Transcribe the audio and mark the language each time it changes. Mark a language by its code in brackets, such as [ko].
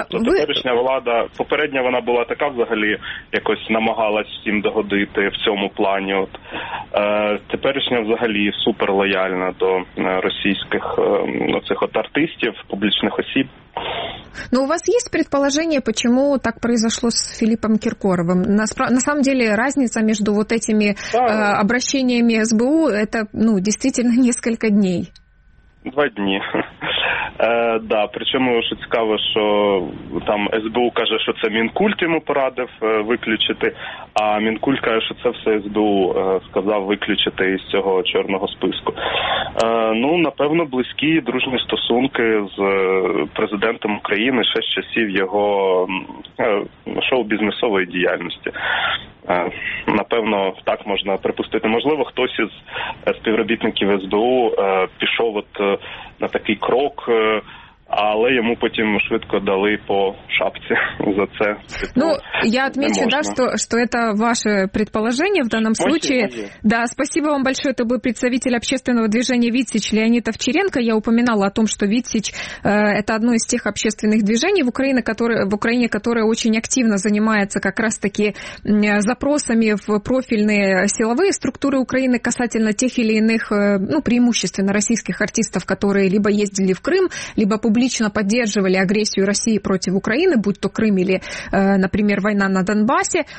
[uk] Теперішня влада, попередня вона була така взагалі, якось намагалась всім догодити в цьому плані. От. Теперішня взагалі суперлояльна до російських оцих от артистів, публічних осіб. [ru] Но у вас есть предположение, почему так произошло с Филиппом Киркоровым? На самом деле разница между вот этими обращениями СБУ, это, ну, действительно несколько дней. [uk] Два дні. Да, причому, що цікаво, що там СБУ каже, що це Мінкульт йому порадив виключити, а Мінкульт каже, що це все СБУ сказав виключити із цього чорного списку. Ну, напевно, близькі дружні стосунки з президентом України ще з часів його шоу-бізнесової діяльності. Напевно. напевно, так можна припустити. Можливо, хтось із співробітників СБУ пішов от на такий крок, але йому потім швидко дали по шапці за це. [ru] Ну, я отмечу, да, что это ваше предположение в данном случае. Да, спасибо вам большое. Это был представитель общественного движения «Витсич» Леонид Овчаренко. Я упоминала о том, что «Витсич» это одно из тех общественных движений в Украине, которое очень активно занимается как раз-таки запросами в профильные силовые структуры Украины касательно тех или иных, ну, преимущественно российских артистов, которые либо ездили в Крым, либо публично поддерживали агрессию России против Украины, будь то Крым или, например, война на Донбассе.